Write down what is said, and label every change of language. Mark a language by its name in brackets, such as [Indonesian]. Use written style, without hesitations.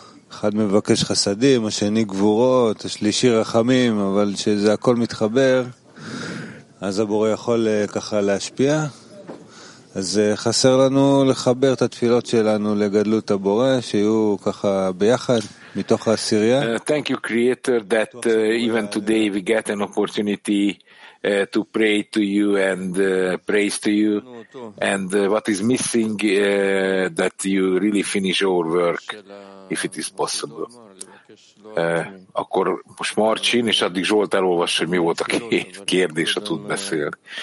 [Hebrew] אחד מבקש חסדים, השני גבורות, השלישי רחמים, אבל שזה הכל מתחבר, אז הבורא יכול ככה להשפיע. אז חסר לנו לחבר את התפילות שלנו לגדלות הבורא, שיהיו ככה ביחד. [English] Thank you, Creator, that even today we get an opportunity to pray to you and praise to you. And what is missing, that you really finish our work, if it is possible. [Hungarian] Akkor most Marcin, és addig Zsolt elolvas, hogy mi volt a kérdés, ha tud beszélni.